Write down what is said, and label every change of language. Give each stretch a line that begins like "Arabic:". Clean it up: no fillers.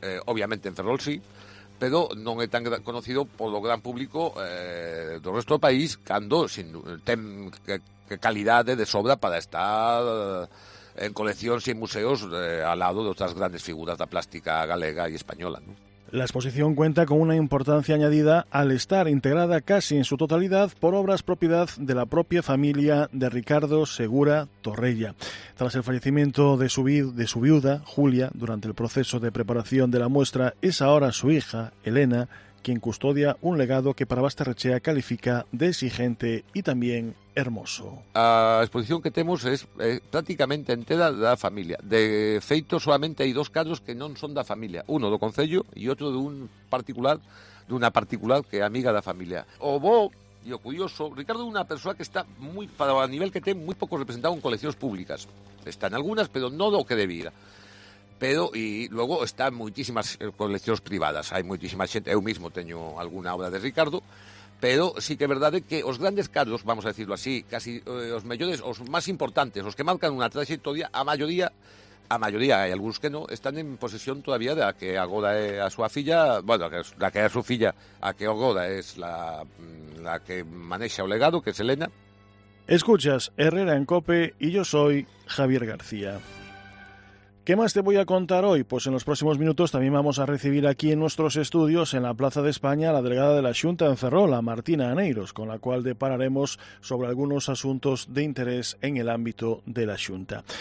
Galician: Obviamente en Ferrol sí, pero non é tan conocido polo gran público do resto do país, cando sin, ten que calidade de sobra para estar en coleccións e en museos al lado de outras grandes figuras da plástica galega e española, ¿no?
Spanish: La exposición cuenta con una importancia añadida al estar integrada casi en su totalidad por obras propiedad de la propia familia de Ricardo Segura Torrella. Tras el fallecimiento de su viuda, Julia, durante el proceso de preparación de la muestra, es ahora su hija, Elena, quien custodia un legado que para Basterrechea califica de exigente y también hermoso.
Galician: A exposición que temos é prácticamente entera da familia. De feito, solamente hai dos cadros que non son da familia. Uno do concello e outro dunha particular que é amiga da familia. O bo e o curioso, Ricardo é unha persoa que está moi, para o nivel que ten, moi pouco representado en coleccións públicas. Está en algunas, pero non do que debía. Pero, e logo, está en moitísimas coleccións privadas. Hai moitísima xente, eu mismo teño alguna obra de Ricardo, pero sí que é verdade que os grandes cadros, vamos a decirlo así, casi os mellores, os máis importantes, os que marcan unha trayectoria, a maioría, hai algúns que non, están en posesión todavía da que agora é a súa filla, bueno, da que é a súa filla, a que agora é la que manexa o legado, que é Selena.
Spanish: Escuchas Herrera en COPE e yo soy Javier García. ¿Qué más te voy a contar hoy? Pues en los próximos minutos también vamos a recibir aquí en nuestros estudios, en la Plaza de España, a la delegada de la Xunta en Ferrol, a Martina Aneiros, con la cual depararemos sobre algunos asuntos de interés en el ámbito de la Xunta.